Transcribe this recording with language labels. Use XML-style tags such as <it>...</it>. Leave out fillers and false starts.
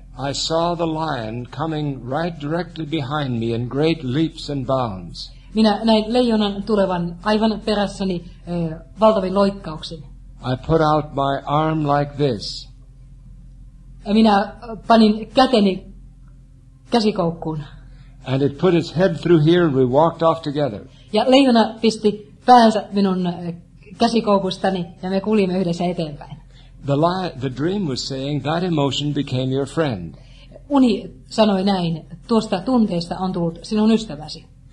<en>I saw the lion coming right directly behind me in great leaps and bounds.</en> <fi>Minä näin leijonan tulevan aivan perässäni valtavin loikkauksin.</fi> <en>I put out my arm like this.</en> <fi>Minä panin käteni käsikoukkuun.</fi> <en>And it put its head through here and we walked off together.</en> <fi>Ja leijona pisti päänsä minun käsikoukustani ja me kuljimme yhdessä eteenpäin.</fi> <en>The dream was saying that emotion became your friend.</en> <fi>Uni sanoi näin, tuosta tunteesta on tullut sinun ystäväsi.</fi>